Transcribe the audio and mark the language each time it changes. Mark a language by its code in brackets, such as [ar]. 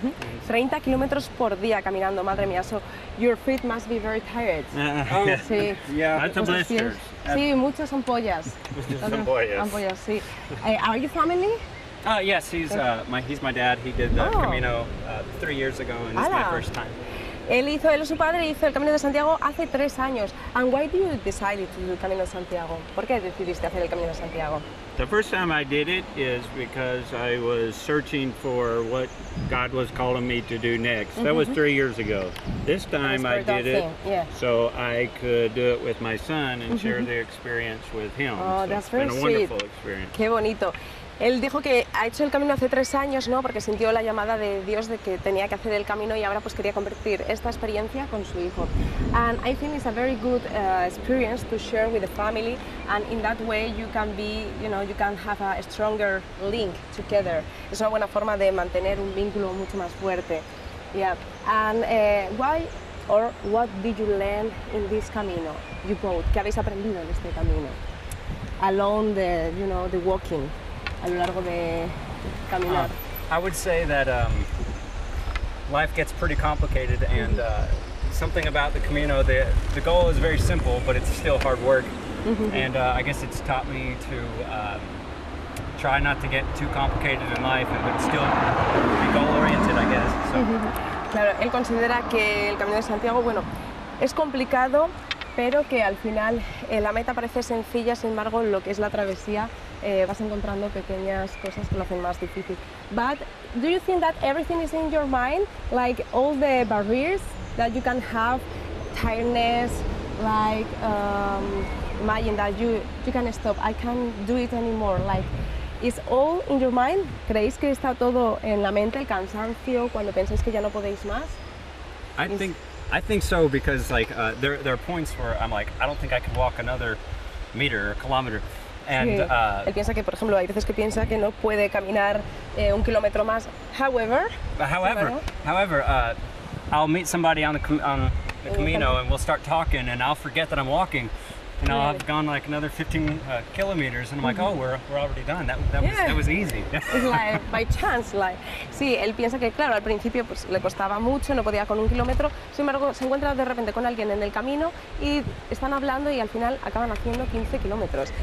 [en] Mm-hmm. [es] 30 kilómetros por día caminando, madre mía. [en] So your feet must be very tired. Sí. Yeah. That's a blister. [es] Sí, muchas ampollas. Ampollas, sí. [en] Are you family? Yes, he's my dad. He did the Camino 3 years ago, and it's my first time. [es] Su padre hizo el Camino de Santiago hace 3 años. [en] And why did you decide to do el Camino de Santiago? [es] ¿Por qué decidiste hacer el Camino de Santiago? [en] The first time I did it is because I was searching for what God was calling me to do next. Mm-hmm. That was 3 years ago. This time I did it so I could do it with my son and share the experience with him. Oh, so that's it's been very a wonderful sweet. Experience. [es] Qué bonito. Él dijo que ha hecho el camino hace 3 años, ¿no? Porque sintió la llamada de Dios de que tenía que hacer el camino y ahora pues quería compartir esta experiencia con su hijo. [en] And I think it's a very good experience to share with the family, and in that way you can be, you know, you can have a stronger link together. [es] Es una buena forma de mantener un vínculo mucho más fuerte. [en] Yeah. And why or what did you learn in this camino? You both. [es] ¿Qué habéis aprendido en este camino? [en] Along the, you know, the walking. [es] A lo largo de caminar. [en] I would say that life gets pretty complicated, and something about the Camino, the goal is very simple, but it's still hard work. And I guess it's taught me to try not to get too complicated in life, but still be goal-oriented, I guess. So. [es] Claro, él considera que el Camino de Santiago, bueno, es complicado, pero que al final la meta parece sencilla, sin embargo, lo que es la travesía, vas encontrando pequeñas cosas que lo hacen más difícil. [en] But do you think that everything is in your mind, like all the barriers that you can have, tiredness, like imagine that you can stop, I can't do it anymore, like it's all in your mind? [es] ¿Creéis que está todo en la mente, el cansancio, cuando pensáis que ya no podéis más? [en] I think so, because like there are points where I'm like, I don't think I can walk another meter or kilometer. And [es] él piensa que, por ejemplo, hay veces que piensa que no puede caminar un kilómetro más. [en] However, I'll meet somebody on the Camino and we'll start talking and I'll forget that I'm walking. And I'll have gone like another 15 kilometers and I'm like, oh, we're already done. That was easy. It's like by chance, like. [es] Sí, él piensa que claro, al principio pues le costaba mucho, no podía con un kilómetro. Sin embargo, se encuentra de repente con alguien en el camino y están hablando y al final acaban haciendo 15 kilómetros.